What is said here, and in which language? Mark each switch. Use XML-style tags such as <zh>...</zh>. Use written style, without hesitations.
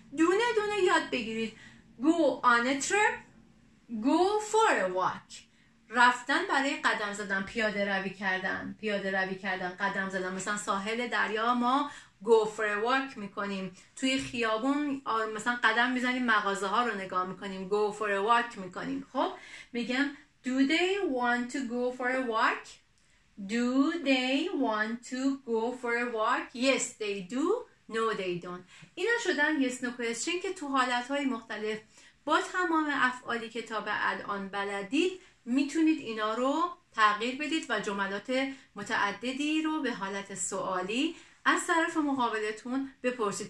<fa>دونه دونه یاد بگیرید.</fa> <en>go on a trip، go for a walk،</en> <fa>رفتن برای قدم زدن، پیاده روی کردن، قدم زدن. مثلا ساحل دریا ما</fa> <en>go for a walk</en> <fa>میکنیم، توی خیابون مثلا قدم میزنیم مغازه ها رو نگاه میکنیم، go for a walk میکنیم. خب میگم</fa> <en>do they want to go for a walk؟ Do they want to go for a walk؟ Yes they do. No they don't.</en> <fa>اینا شدن yes no question که تو حالت های مختلف با تمام افعالی که تا به الان بلدید میتونید اینا رو تغییر بدید و جملات متعددی رو به حالت سوالی از طرف مقابلتون بپرسید.</fa>